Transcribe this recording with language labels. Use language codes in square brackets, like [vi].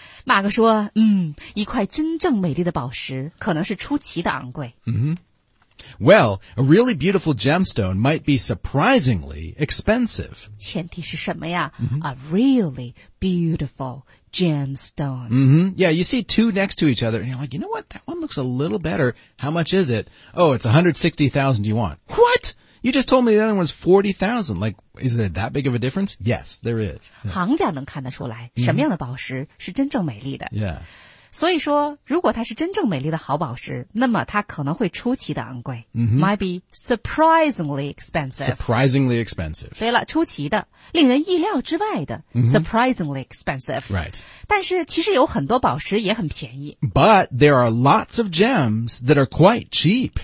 [zh] 马克说，一块真正美丽的宝石可能是出奇的昂贵。 Mm-hmm. [en] Well, a really beautiful gemstone might be surprisingly expensive. [zh] 前提是什么呀? [en] A really beautiful gemstone. Mm-hmm. Yeah, you see two next to each other and you're like, you know what? That one looks a little better. How much is it? Oh, it's $160,000 yuan. What? You just told me the other one's $40,000. Like, is it that big of a difference? Yes, there is. [zh] 行家能看得出来什么样的宝石是真正美丽的。 [en] Yeah. [zh] 所以说如果它是真正美丽的好宝石那么它可能会出奇的昂贵、 mm-hmm. [en] Might be surprisingly expensive Surprisingly expensive [zh] 对了出奇的令人意料之外的、 mm-hmm. [en] Surprisingly expensive Right [zh] 但是其实有很多宝石也很便宜 [en] But there are lots of gems that are quite cheap